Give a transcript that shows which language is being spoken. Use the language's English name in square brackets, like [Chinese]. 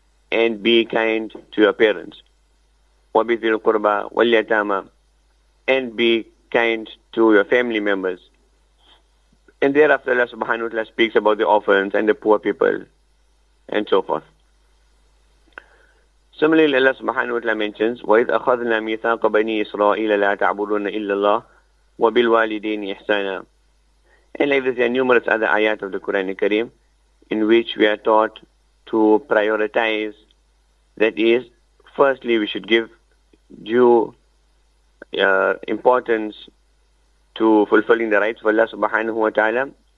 [English] And be kind to your parents. [Arabic] وَبِذِي الْقُرْبَى وَالْيَتَامَى. [English] And be kind to your family members. And thereafter Allah subhanahu wa ta'ala speaks about the orphans and the poor people and so forth. Similarly, Allah subhanahu wa ta'ala mentions, [Arabic] وَإِذْ أَخَذْنَا مِيثَاقَ بَنِي إِسْرَائِيلَ لَا تَعْبُدُونَ إِلَّا اللَّهَ وَبِالْوَالِدَيْنِ إِحْسَانًا. [English] And like this, there are numerous other ayat of the Quran al-Kareem in which we are taught to prioritize. That is, firstly, we should give due importance to fulfilling the rights of Allah subhanahu wa ta'ala.